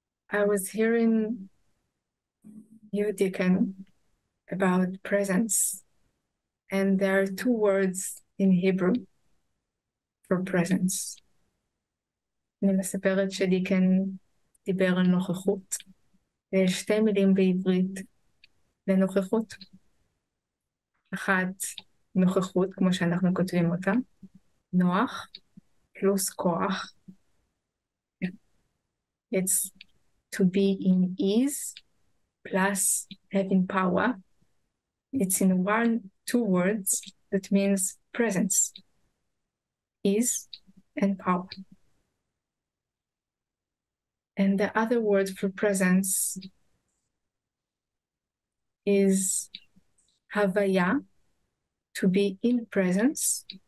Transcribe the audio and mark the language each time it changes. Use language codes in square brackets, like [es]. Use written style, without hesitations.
[en] I was hearing you, Deacon, about presence, and there are 2 words in Hebrew for presence. [he] אני מספרת שדיקן דיבר על נוכחות. יש 2 מילים בעברית לנוכחות. אחת, נוכחות, כמו שאנחנו כותבים אותה. נוח פלוס כוח. [en] It's to be in ease plus having power. It's in one, two words that means presence, ease and power. And the other word for presence is havaya, to be in presence.